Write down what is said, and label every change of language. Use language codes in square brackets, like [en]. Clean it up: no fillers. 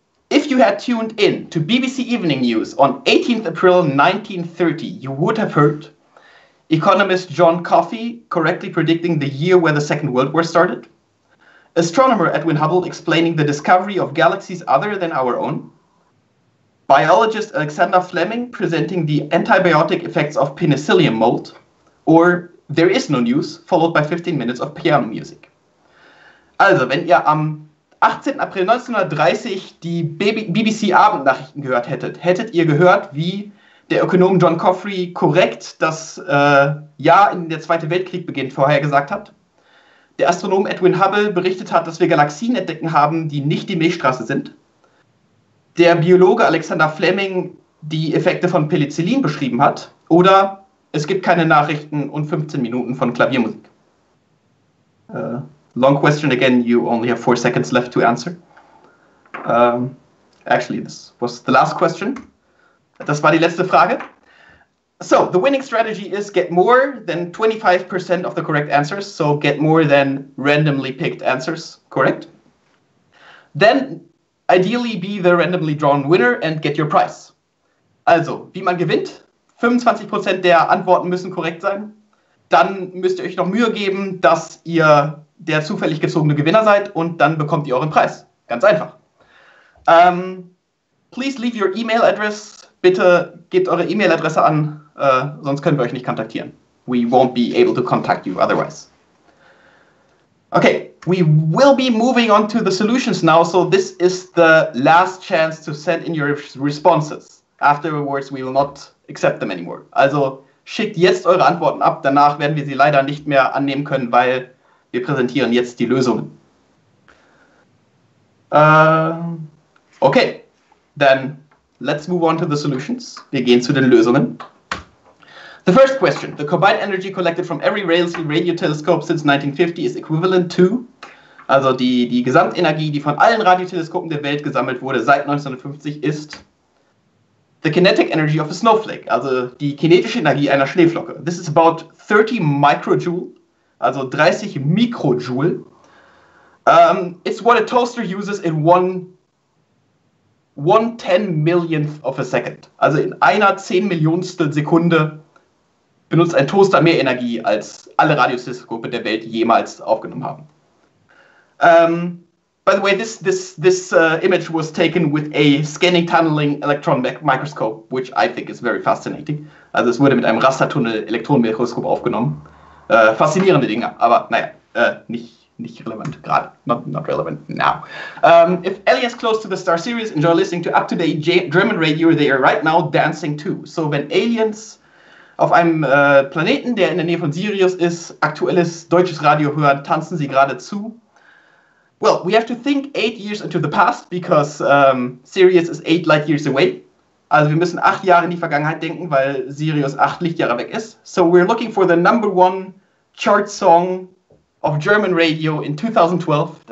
[en] If you had tuned in to BBC Evening News on 18th April 1930, you would have heard economist John Coffey correctly predicting the year where the Second World War started, astronomer Edwin Hubble explaining the discovery of galaxies other than our own, biologist Alexander Fleming presenting the antibiotic effects of penicillin mold, or there is no news, followed by 15 minutes of piano music. [de] Also, wenn ihr am 18. April 1930 die BBC-Abendnachrichten gehört hättet, hättet ihr gehört, wie der Ökonom John Coffey korrekt das Jahr, in dem der Zweite Weltkrieg beginnt, vorhergesagt hat. Der Astronom Edwin Hubble berichtet hat, dass wir Galaxien entdecken haben, die nicht die Milchstraße sind. Der Biologe Alexander Fleming die Effekte von Penicillin beschrieben hat. Oder es gibt keine Nachrichten und 15 Minuten von Klaviermusik. [en] Long question again, you only have 4 seconds left to answer. Actually, this was the last question. [de] Das war die letzte Frage. [en] So, the winning strategy is get more than 25% of the correct answers. So, get more than randomly picked answers, correct? Then, ideally be the randomly drawn winner and get your prize. [de] Also, wie man gewinnt, 25% der Antworten müssen korrekt sein. Dann müsst ihr euch noch Mühe geben, dass ihr der zufällig gezogene Gewinner seid und dann bekommt ihr euren Preis. Ganz einfach. [en] Please leave your email address. [de] Bitte gebt eure E-Mail-Adresse an, sonst können wir euch nicht kontaktieren. [en] We won't be able to contact you otherwise. Okay, we will be moving on to the solutions now. So this is the last chance to send in your responses. Afterwards we will not accept them anymore. [de] Also schickt jetzt eure Antworten ab. Danach werden wir sie leider nicht mehr annehmen können, weil wir präsentieren jetzt die Lösungen. [en] Okay, then let's move on to the solutions. [de] Wir gehen zu den Lösungen. [en] The first question, the combined energy collected from every radio telescope since 1950 is equivalent to, [de] also die Gesamtenergie, die von allen Radioteleskopen der Welt gesammelt wurde seit 1950, ist [en] the kinetic energy of a snowflake, [de] also die kinetische Energie einer Schneeflocke. [en] This is about 30 microjoule, [de] also 30 Mikrojoule. [en] It's what a toaster uses in one 10 millionth of a second. [de] Also in einer 10 millionstel Sekunde benutzt ein Toaster mehr Energie, als alle Radioteleskope der Welt jemals aufgenommen haben. [en] By the way, this image was taken with a scanning tunneling electron microscope, which I think is very fascinating. [de] Also es wurde mit einem Rastertunnel-Elektronenmikroskop aufgenommen. Faszinierende Dinge, aber naja, nicht relevant gerade. [en] Not relevant now. If aliens close to the star Sirius enjoy listening to up-to-date German radio, they are right now dancing too. [de] So wenn Aliens auf einem Planeten, der in der Nähe von Sirius ist, aktuelles deutsches Radio hören, tanzen sie gerade zu. [en] Well, we have to think 8 years into the past, because Sirius is 8 light years away. [de] Also wir müssen 8 Jahre in die Vergangenheit denken, weil Sirius 8 Lichtjahre weg ist. [en] So we're looking for the number one chart song of German radio in 2012.